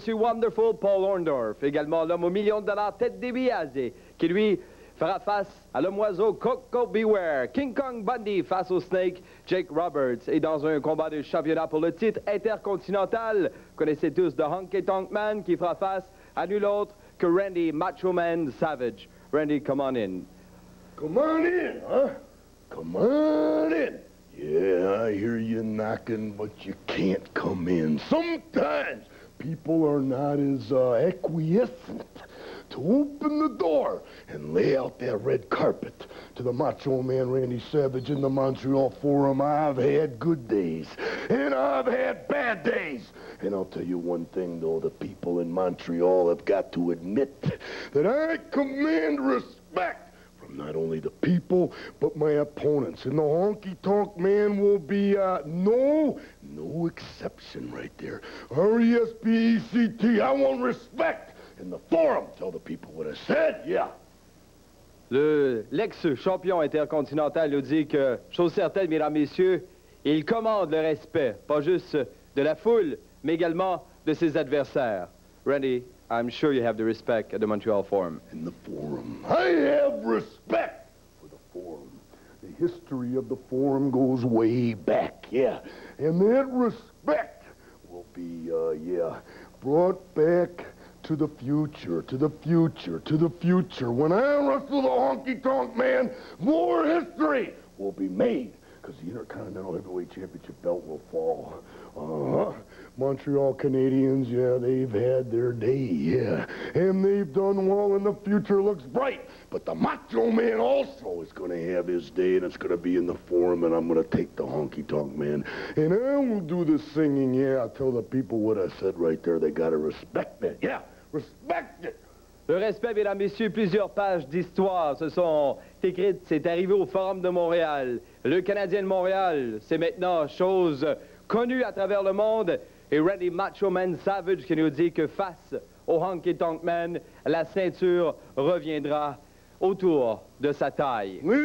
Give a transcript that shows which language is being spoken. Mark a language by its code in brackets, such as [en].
[fr] Wonderful Paul Orndorff, également l'homme au million de dollars, Ted DiBiase, qui lui fera face à l'homme-oiseau Coco Beware, King Kong Bundy face au Snake Jake Roberts. Et dans un combat de championnat pour le titre intercontinental, connaissez tous de Honky Tonk Man, qui fera face à nul autre que Randy Macho Man Savage. [en] Randy, come on in. Come on in, huh? Come on in. Yeah, I hear you knocking, but you can't come in. Sometimes people are not as acquiescent to open the door and lay out that red carpet to the Macho Man Randy Savage in the Montreal Forum. I've had good days, and I've had bad days. And I'll tell you one thing, though, the people in Montreal have got to admit that I command respect from not only the people, but my opponents. And the Honky Tonk Man will be no exception right there. R-E-S-P-E-C-T, I want respect in the Forum. Tell the people what I said, yeah. [fr] L'ex-champion intercontinental nous dit que, chose certaine, mesdames, messieurs, il commande le respect, pas juste de la foule, mais également de ses adversaires. [en] Randy, I'm sure you have the respect at the Montreal Forum. In the Forum. I have respect for the Forum. The history of the Forum goes way back, yeah. And that respect will be, brought back to the future, to the future, to the future. When I wrestle the Honky Tonk Man, more history will be made, because the Intercontinental Heavyweight Championship belt will fall. Montreal Canadiens, yeah, they've had their day, yeah. And they've done well, and the future looks bright. But the Macho Man also is going to have his day, and it's going to be in the Forum, and I'm going to take the Honky Tonk Man. And I will do the singing, yeah. I'll tell the people what I said right there. They got to respect me. Yeah, respect it. [fr] Le respect, mesdames, messieurs, plusieurs pages d'histoire se sont écrites. C'est arrivé au Forum de Montréal. Le Canadien de Montréal, c'est maintenant chose connue à travers le monde. Et Randy Macho Man Savage qui nous dit que face au Honky Tonk Man, la ceinture reviendra autour de sa taille.